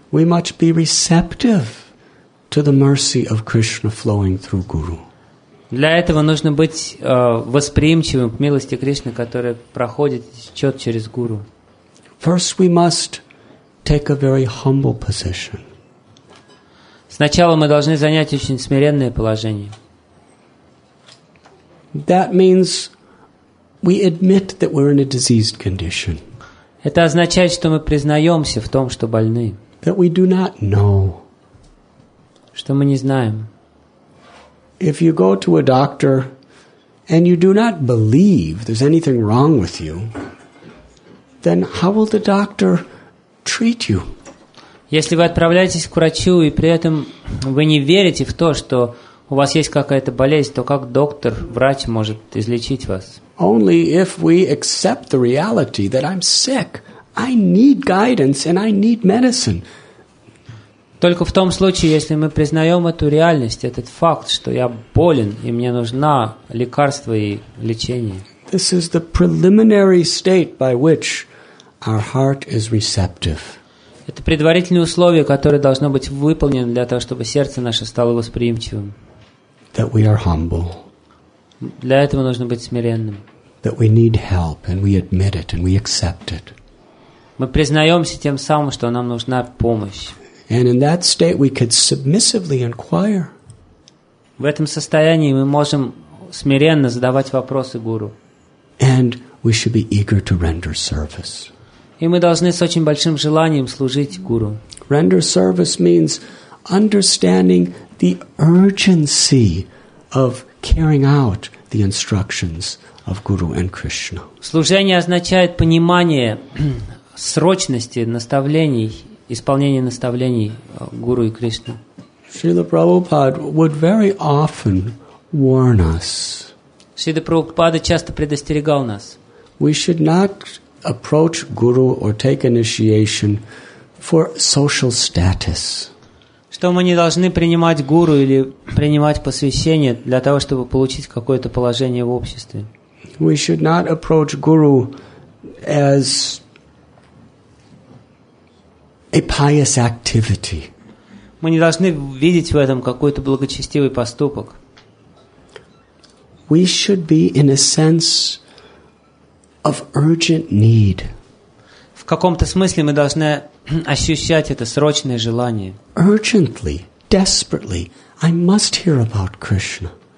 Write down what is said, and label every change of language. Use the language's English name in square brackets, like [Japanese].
[English] We must be receptive to the mercy of Krishna flowing through guru. [Russian] Для этого нужно быть восприимчивым к милости Кришны, которая проходит, течет через гуру. [English] First we must take a very humble position. [Russian] Сначала мы должны занять очень смиренное положение. [English] That means we admit that we're in a diseased condition. [Russian] Это означает, что мы признаемся в том, что больны. [English] That we do not know. [Russian] Что мы не знаем. [English] If you go to a doctor and you do not believe there's anything wrong with you, then how will the doctor treat you? [Russian] Если вы отправляетесь к врачу и при этом вы не верите в то, что у вас есть какая-то болезнь, то как доктор, врач может излечить вас? [English] Only if we accept the reality that I'm sick, I need guidance and I need medicine. [Russian] Только в том случае, если мы признаем эту реальность, этот факт, что я болен и мне нужна лекарство и лечение. [English] This is the preliminary state by which our heart is receptive. [Russian] Это предварительное условие, которое должно быть выполнено для того, чтобы сердце наше стало восприимчивым. [English] That we are humble. [Russian] Для этого нужно быть смиренным. [English] That we need help and we admit it and we accept it. [Russian] Мы признаемся тем самым, что нам нужна помощь. [English] And in that state we could submissively inquire. [Russian] В этом состоянии мы можем смиренно задавать вопросы гуру. [English] And we should be eager to render service. [Russian] И мы должны с очень большим желанием служить гуру. [English] Render service means understanding the urgency of carrying out the instructions of Guru and Krishna. [Russian] Служение означает понимание срочности наставлений, исполнения наставлений Гуру и Кришны. [English] Srila Prabhupada would very often warn us. [Russian] Srila Prabhupada часто предостерегал нас. [English] We should not approach Guru or take initiation for social status. [Russian] Что мы не должны принимать гуру или принимать посвящение для того, чтобы получить какое-то положение в обществе. [English] We should not approach guru as a pious activity. [Russian] Мы не должны видеть в этом какой-то благочестивый поступок. [English] We should be in a sense of urgent need. [Russian] В каком-то смысле мы должны ощущать это срочное желание. [English] Urgently, desperately, I must hear about Krishna.